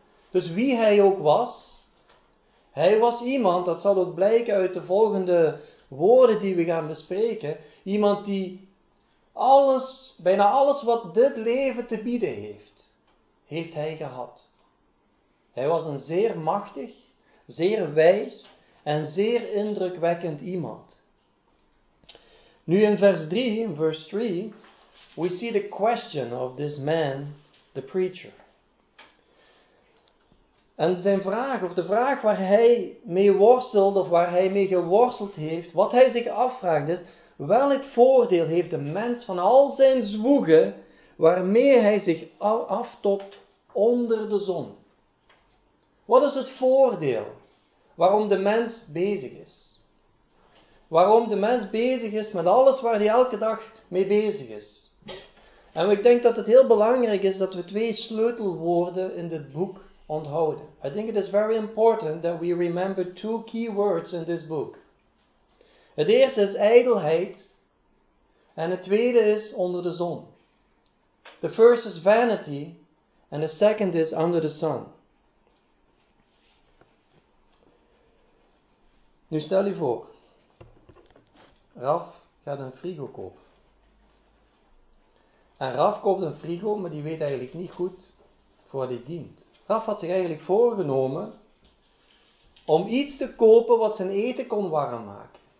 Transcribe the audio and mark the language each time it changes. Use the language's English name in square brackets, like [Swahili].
[Dutch] Dus wie hij ook was, hij was iemand, dat zal ook blijken uit de volgende woorden die we gaan bespreken, iemand die alles, bijna alles wat dit leven te bieden heeft, heeft hij gehad. Hij was een zeer machtig, zeer wijs en zeer indrukwekkend iemand. Nu in vers 3, [English] we see the question of this man, the preacher. [Dutch] En zijn vraag, of de vraag waar hij mee worstelt of waar hij mee geworsteld heeft, wat hij zich afvraagt is, welk voordeel heeft de mens van al zijn zwoegen waarmee hij zich aftopt onder de zon? Wat is het voordeel waarom de mens bezig is? Waarom de mens bezig is met alles waar hij elke dag mee bezig is? En ik denk dat het heel belangrijk is dat we twee sleutelwoorden in dit boek onthouden. [English] I think it is very important that we remember two key words in this book. [Dutch] Het eerste is ijdelheid en het tweede is onder de zon. [English] The first is vanity and the second is under the sun. [Dutch] Nu stel je voor, Raf gaat een frigo kopen. En Raf koopt een frigo, maar die weet eigenlijk niet goed voor wat hij dient. Raf had zich eigenlijk voorgenomen om iets te kopen wat zijn eten kon warm maken.